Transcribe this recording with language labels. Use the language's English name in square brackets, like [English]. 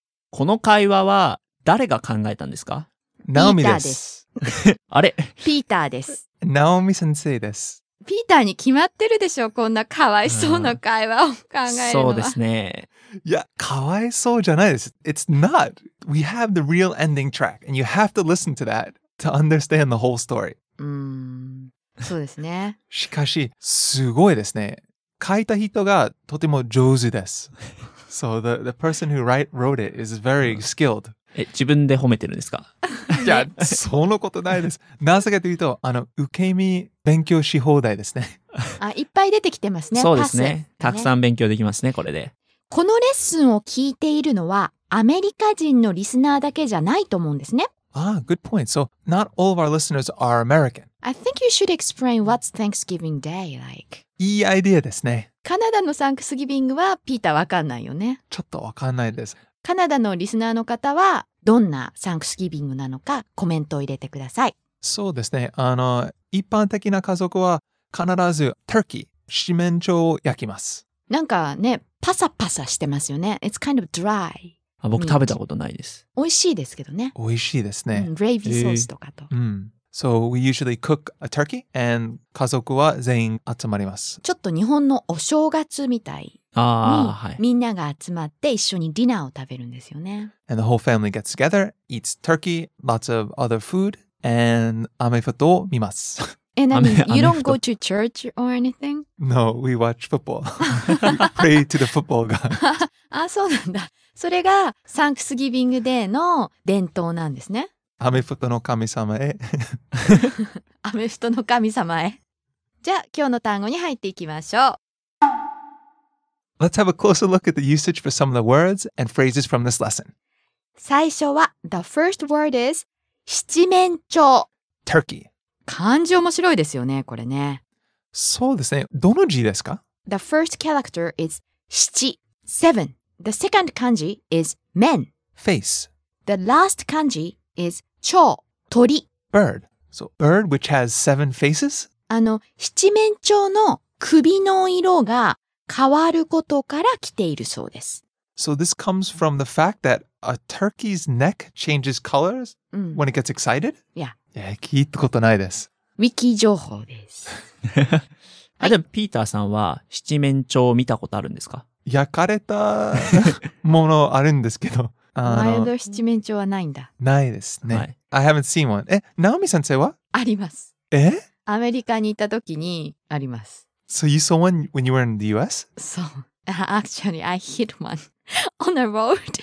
[Japanese] この会話は誰が考えたんですか? ナオミです。あれ? ピーターです。ナオミ先生です。ピーターに決まってるでしょ?こんなかわいそうな会話を考えるのは。そうですね。いや、かわいそうじゃないです。 [English] It's not. We have the real ending track. And you have to listen to that to understand the whole story. [Japanese] そうですね。しかし、すごいですね。書いた人がとても上手です。 [English] So the person who wrote it is very skilled. [Japanese] 自分で褒めてるんですか? いや、そのことないです。なぜかというと、受け身勉強し放題ですね。あ、いっぱい出てきてますね。そうですね。たくさん勉強できますね、これで。このレッスンを聞いているのは、アメリカ人のリスナーだけじゃないと思うんですね。 [English] ああ、good point. So, not all of our listeners are American. I think you should explain what's Thanksgiving Day like. [Japanese] いいアイデアですね。カナダのサンクスギビングは、ピーターわかんないよね。ちょっとわかんないです。カナダのリスナーの方は、どんなサンクスギビングなのかコメントを入れてください。そうですね。一般的な家族は必ずターキー、七面鳥を焼きます。なんかね、パサパサしてますよね。 [English] It's kind of dry. [Japanese] 僕食べたことないです。美味しいですけどね。美味しいですね。グレイビーソースとかと。 [English] So we usually cook a turkey and [Japanese] 家族は全員集まります。ちょっと日本のお正月みたいに、はい、みんなが集まって一緒にディナーを食べるんですよね。 [English] And the whole family gets together, eats turkey, lots of other food, and [Japanese] 雨降りを見ます。 [English] And I mean, you don't go to church or anything? No, we watch football. We pray to the football god. [Japanese] あ、そうなんだ。それがサンクスギビングデーの伝統なんですね。アメフトの神様へ。アメフトの神様へ。じゃあ、今日の単語に入っていきましょう。 [English] Let's have a closer look at the usage for some of the words and phrases from this lesson. [Japanese] 最初は、 [English] the first word is 七面鳥。 Turkey. [Japanese] 漢字面白いですよね、これね。そうですね。どの字ですか? [English] The first character is 七、seven. The second 漢字 is 面。 Face. The last 漢字is 鳥、鳥。 Bird. So bird, which has seven faces? [Japanese] 七面鳥の首の色が変わることから来ているそうです。 [English] So this comes from the fact that a turkey's neck changes colors when it gets excited? Yeah. [Japanese] 聞いたことないです。ウィキ情報です。あ、でもピーターさんは七面鳥を見たことあるんですか？焼かれたものあるんですけど。前の七面鳥はないんだ。ないですね。はい、 [English] I haven't seen one. [Japanese] え、ナオミ先生は？あります。え？アメリカに行った時にあります。 [English] So you saw one when you were in the US? So, actually, I hit one on the road.